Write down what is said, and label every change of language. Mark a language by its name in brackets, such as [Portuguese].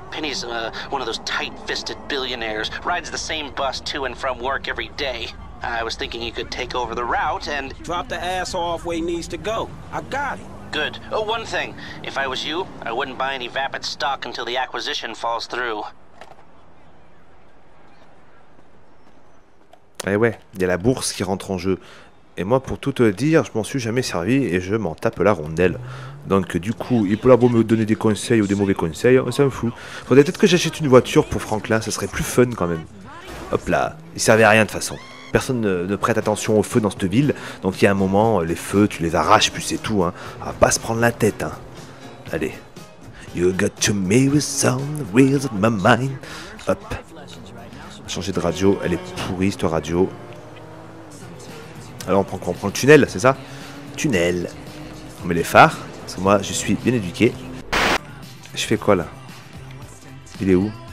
[English] Penny's one of those tight-fisted billionaires, rides the same bus to and from work every day. I was thinking he could take over the route and... Drop the ass off where he needs to go. I got him. Good. Oh, one thing. If I was you, I wouldn't buy any Vapid stock until the acquisition falls through. [French] Eh ouais, il y a la bourse qui rentre en jeu. Et moi, pour tout te dire, je m'en suis jamais servi et je m'en tape la rondelle. Donc du coup, il peut avoir me donner des conseils ou des mauvais conseils, ça me fout. Faudrait peut-être que j'achète une voiture pour Franklin, ça serait plus fun quand même. Hop là, il servait à rien de toute façon. Personne ne prête attention aux feux dans cette ville, donc il y a un moment, les feux, tu les arraches, puis c'est tout, hein. On va pas se prendre la tête, hein. Allez. [English] You got to me with some wheels of my mind. Hop. [French] Changer de radio, elle est pourrie cette radio. Alors on prend quoi? On prend le tunnel, c'est ça? Tunnel. On met les phares, parce que moi je suis bien éduqué. Je fais quoi là? Il est où?